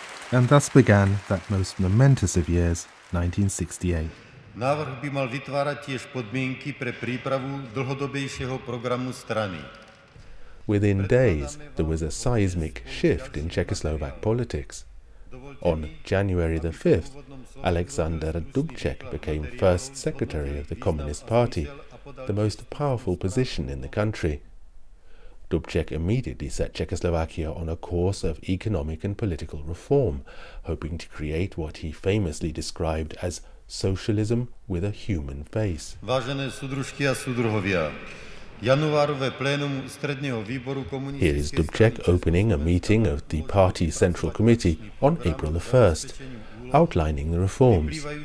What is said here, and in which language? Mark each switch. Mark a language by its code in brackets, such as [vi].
[en] And thus began that most momentous of years, 1968. [sk] Návrh by mal vytvárat tiež podmienky pre prípravu dlhodobejšieho programu strany. [en] Within days, there was a seismic shift in Czechoslovak politics. On January the 5th, Alexander Dubček became first secretary of the Communist Party, the most powerful position in the country. Dubček immediately set Czechoslovakia on a course of economic and political reform, hoping to create what he famously described as socialism with a human face. [sk] Vážené sudružky a sudruhovia, januárové plénum středního výboru komunistické strany. [en] Here is Dubček opening a meeting of the party central committee on April the 1st, outlining the reforms.